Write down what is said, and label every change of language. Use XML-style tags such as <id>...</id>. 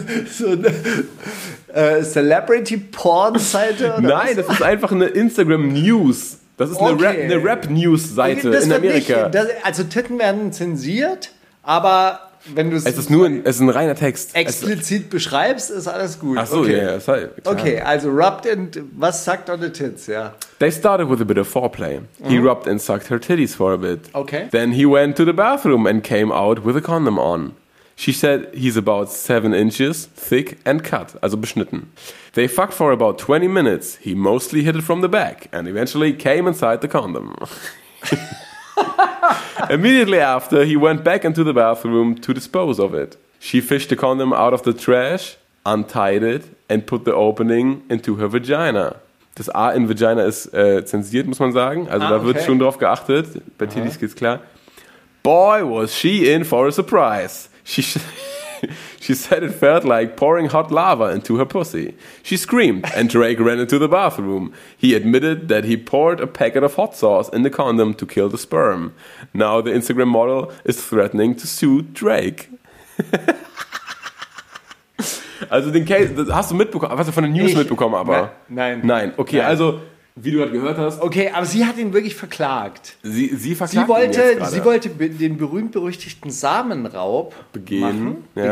<de>So eine Celebrity Porn Seite? Nein, was? Das ist einfach eine Instagram News. Das ist eine Rap News Seite in Amerika. Nicht, das, also Titten werden zensiert, aber wenn du es ist nur ein, es ist ein reiner Text. Explizit es, beschreibst, ist alles gut. Ach so, ja, okay.</de> <en>Yeah, okay, also rubbed and was sucked on the tits, ja. Yeah. They started with a bit of foreplay. He rubbed and sucked her titties for a bit. Okay. Then he went to the bathroom and came out with a condom on. She said he's about 7 inches thick and cut,</en> <de>also beschnitten.</de> <en>They fucked for about 20 minutes. He mostly hit it from the back and eventually came inside the condom. Immediately after, he went back into the bathroom to dispose of it. She fished the condom out of the trash, untied it and put the opening into her vagina.</en> <de>Das A in Vagina ist zensiert, muss man sagen. Also da wird schon drauf geachtet. Bei Titties geht's klar.</de> <en>Boy, was she in for a surprise. She said it felt like pouring hot lava into her pussy. She screamed and Drake ran into the bathroom. He admitted that he poured a packet of hot sauce in the condom to kill the sperm. Now the Instagram model is threatening to sue Drake.</en> <de>Also den Case, das hast du mitbekommen, hast du von den News mitbekommen, aber... Nein. Okay, nein. Also, wie du gerade gehört hast... Okay, aber sie hat ihn wirklich verklagt. Sie verklagt sie wollte, ihn jetzt gerade. Sie wollte den berühmt-berüchtigten Samenraub begehen.</de>